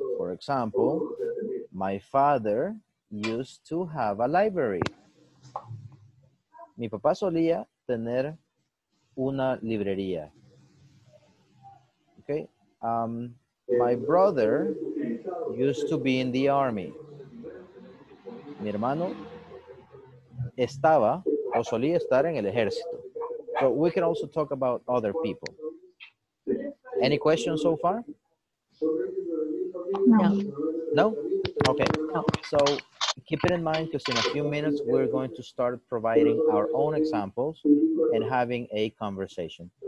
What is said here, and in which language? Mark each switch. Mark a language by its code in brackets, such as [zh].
[en] For example, my father used to have a library. [es] Mi papá solía tener una librería. Okay. [en] My brother used to be in the army. [es] Mi hermano estaba o solía estar en el ejército. [en] So we can also talk about other people. Any questions so far? No. No? Okay. So keep it in mind, because in a few minutes we're going to start providing our own examples and having a conversation.